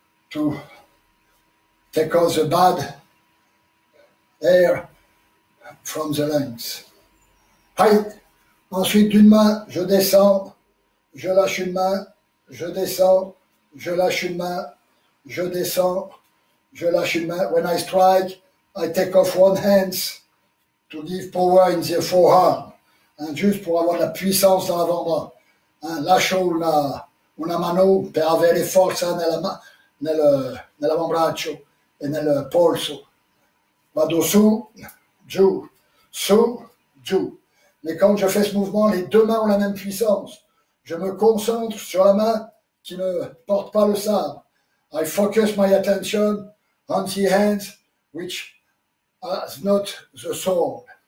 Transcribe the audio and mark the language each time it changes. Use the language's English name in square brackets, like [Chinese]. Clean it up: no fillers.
[English] To take out the bad air from the lungs. [French] Allez, ensuite d'une main, je descends, je lâche une main. Je descends, je lâche une main, je descends, je lâche une main. [English] When I strike, I take off one hand to give power in the forearm. [French] Hein, juste pour avoir la puissance dans l'avant-bras. [Italian] Hein, lascio una mano per avere forza nell'avambraccio e nel polso. Vado su, giù, su, giù. [French] Mais quand je fais ce mouvement, les deux mains ont la même puissance. Je me concentre sur la main qui ne porte pas le sabre. [English] I focus my attention on the hand which has not the sword.